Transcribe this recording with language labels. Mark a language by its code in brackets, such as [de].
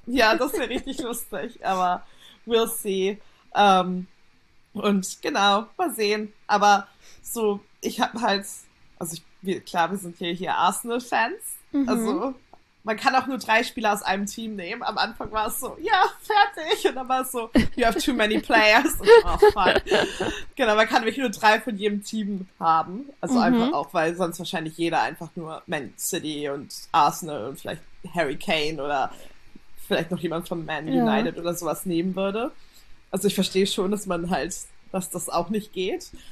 [de] Ja, das wäre richtig lustig, aber [en] we'll see. [de] Und genau, mal sehen. Aber so, ich habe halt, also klar, wir sind hier Arsenal-Fans. Also, man kann auch nur drei Spieler aus einem Team nehmen. Am Anfang war es so, ja, fertig. Und dann war es so, [en] you have too many players. [de] Und so, oh, fuck. Genau, man kann wirklich nur drei von jedem Team haben. Also einfach auch, weil sonst wahrscheinlich jeder einfach nur Man City und Arsenal und vielleicht Harry Kane oder vielleicht noch jemand von Man Ja. United oder sowas nehmen würde. Also ich verstehe schon, dass man halt, dass das auch nicht geht.